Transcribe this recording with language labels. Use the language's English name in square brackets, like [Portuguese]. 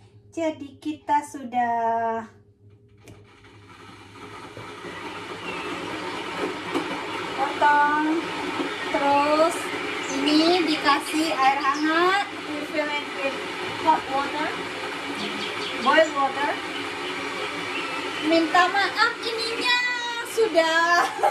[Indonesian] Jadi kita sudah potong, terus ini dikasih air hangat. [English] We fill it with hot water, boiled water. [Indonesian] Minta maaf ininya sudah.